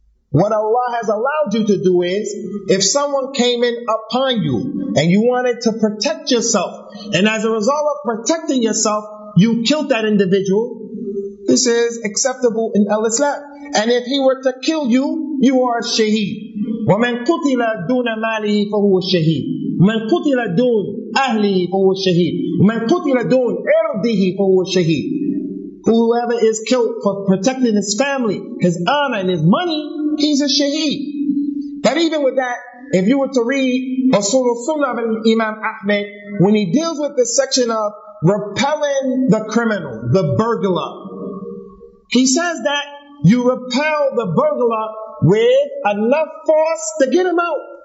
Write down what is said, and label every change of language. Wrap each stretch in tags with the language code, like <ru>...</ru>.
<en>What Allah has allowed you to do is, if someone came in upon you and you wanted to protect yourself, and as a result of protecting yourself, you killed that individual, this is acceptable in al-Islam. And if he were to kill you, you are a shaheed.</en> <ar>وَمَنْ قُتِلَ دُونَ مَالِهِ فَهُوَ الشَّهِيدُ مَنْ قُتِلَ دُونَ أَهْلِهِ فَهُوَ الشَّهِيدُ مَنْ قُتِلَ دُونَ عِرْضِهِ فَهُوَ الشَّهِيدُ</ar> <en>Whoever is killed for protecting his family, his honor and his money, he's a shaheed. That even with that, if you were to read Usul al-Sunnah of Imam Ahmed, when he deals with this section of repelling the criminal, the burglar, he says that you repel the burglar with enough force to get him out.</en>